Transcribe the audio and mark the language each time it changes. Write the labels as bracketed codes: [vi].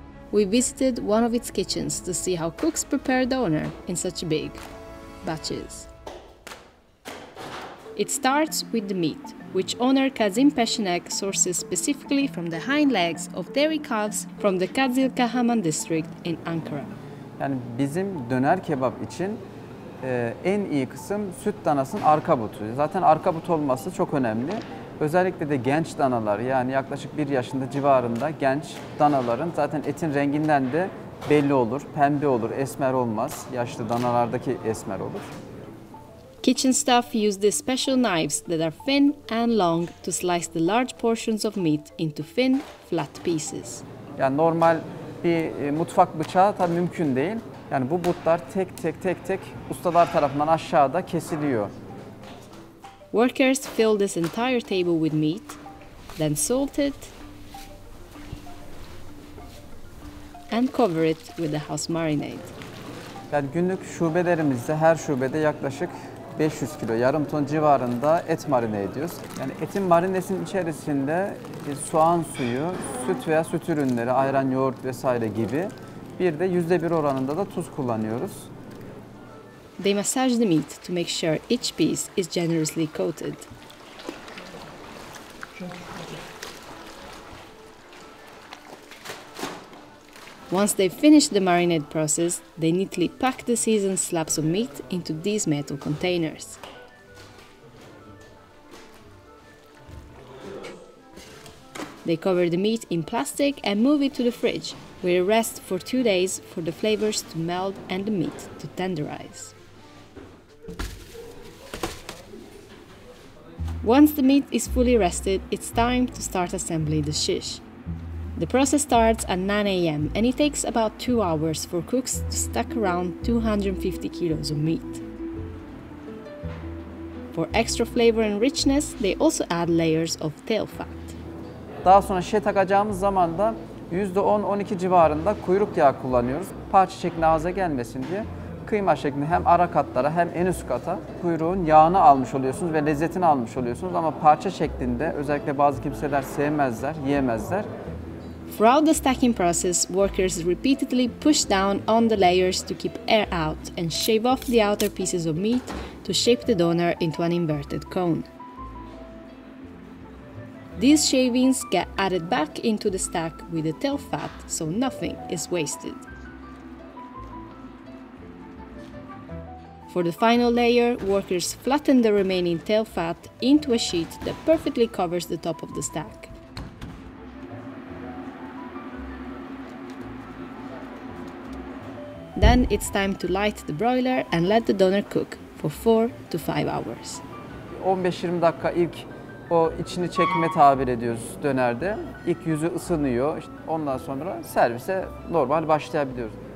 [en] We visited one of its kitchens to see how cooks prepare döner in such big batches. It starts with the meat, which owner Kazim Peşinek sources specifically from the hind legs of dairy calves from the Kadzilka Haman district in Ankara. [tr] Yani bizim döner kebap için en iyi kısım süt danasının arka butu. Zaten arka but olması çok önemli. Özellikle de genç danalar, yani yaklaşık bir yaşında civarında genç danaların zaten etin renginden de belli olur. Pembe olur, esmer olmaz. Yaşlı danalardaki esmer olur. [en] Kitchen staff use these special knives that are thin and long to slice the large portions of meat into thin, flat pieces. [tr] Yani normal bir mutfak bıçağı tabii mümkün değil. Yani bu butlar tek tek ustalar tarafından aşağıda kesiliyor. [en] Workers fill this entire table with meat, then salt it, and cover it with a house marinade. [tr] Yani günlük şubelerimizde, her şubede yaklaşık 500 kilo, yarım ton civarında et marine ediyoruz. Yani etin marinesinin içerisinde bir soğan suyu, süt veya süt ürünleri, ayran, yoğurt vesaire gibi bir de %1 oranında da tuz kullanıyoruz. [en] They massage the meat to make sure each piece is generously coated. Once they've finished the marinade process, they neatly pack the seasoned slabs of meat into these metal containers. They cover the meat in plastic and move it to the fridge, where it rests for 2 days for the flavors to melt and the meat to tenderize. Once the meat is fully rested, it's time to start assembling the shish. The process starts at 9 a.m. and it takes about 2 hours for cooks to stack around 250 kilos of meat. For extra flavor and richness, they also add layers of tail fat. [tr] Daha sonra şişe takacağımız zaman da %10-12 civarında kuyruk yağı kullanıyoruz. Parça şeklinde ağza gelmesin diye. Kıyma şeklinde hem ara katlara hem en üst kata kuyruğun yağını almış oluyorsunuz ve lezzetini almış oluyorsunuz. Ama parça şeklinde özellikle bazı kimseler sevmezler, yiyemezler. [en] Throughout the stacking process, workers repeatedly push down on the layers to keep air out and shave off the outer pieces of meat to shape the döner into an inverted cone. These shavings get added back into the stack with the tail fat, so nothing is wasted. For the final layer, workers flatten the remaining tail fat into a sheet that perfectly covers the top of the stack. Then it's time to light the broiler and let the doner cook for 4 to 5 hours. [tr] 15-20 dakika ilk o içini çekme tabir ediyoruz dönerde. İlk yüzü ısınıyor. İşte ondan sonra servise normal başlayabiliyoruz.